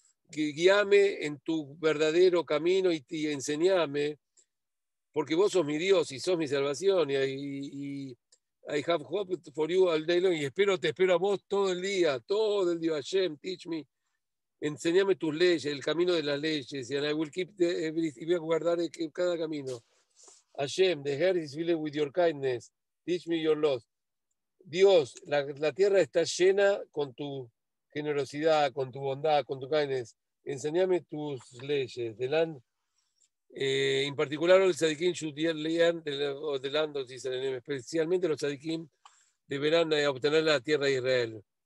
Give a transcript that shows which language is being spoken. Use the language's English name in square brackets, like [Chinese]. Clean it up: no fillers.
[Spanish] que guíame en tu verdadero camino y enseñame, porque vos sos mi Dios y sos mi salvación, y [English] I have hope for you all day long, [Spanish] y te espero a vos todo el día, Hashem, [English] teach me, [Spanish] enseñame tus leyes, el camino de las leyes, [English] and I will keep [Spanish] y voy a guardar cada camino. [English] Hashem, the earth is filled with your kindness. Teach me your laws. [Spanish] Dios, la tierra está llena con tu generosidad, con tu bondad, con tu kindness. Enséñame tus leyes. [English] The land, [Spanish] en particular, los [English] tzadikim should learn the land of Israel. [Spanish] Especialmente los tzadikim deberán obtener la tierra de Israel.